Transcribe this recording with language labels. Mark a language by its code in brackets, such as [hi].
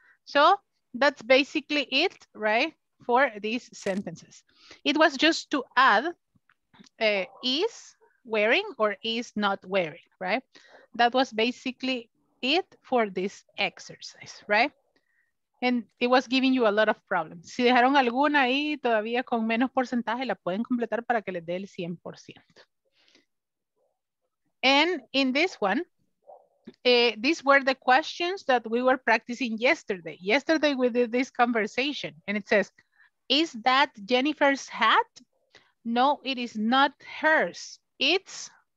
[en] So that's basically it, right, for these sentences. It was just to add is wearing or is not wearing, right? That was basically it for this exercise, right? And it was giving you a lot of problems. [es] Si dejaron alguna ahí todavía con menos porcentaje, la pueden completar para que les dé el 100%. [en] And in this one, these were the questions that we were practicing yesterday. Yesterday we did this conversation and it says, is that Jennifer's hat? No, it is not hers. It's